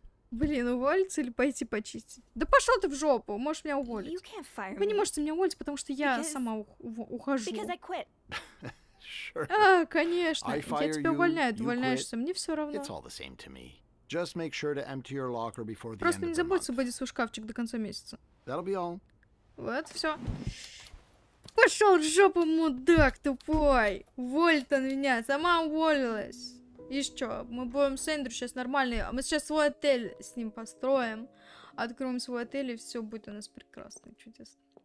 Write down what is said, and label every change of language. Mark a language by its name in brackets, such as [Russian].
[Russian] Блин, уволиться или пойти почистить? Да пошел ты в жопу, можешь меня уволить. [English] You can't fire me. [Russian] Вы не можете меня уволить, потому что я сама ухожу. [English] Because I quit. Sure. [Russian] А, конечно, я тебя увольняю, ты увольняешься, мне все равно. [English] It's all the same to me. Just make sure to empty your locker before the end of the month. [Russian] Просто не забудь освободить свой шкафчик до конца месяца. [English] That'll be all. [Russian] Вот, все. Пошел в жопу, мудак тупой. Уволит он меня, сама уволилась. И что, мы будем с Эндрю сейчас нормальные, мы сейчас свой отель с ним построим, откроем свой отель, и все будет у нас прекрасно, чудесно.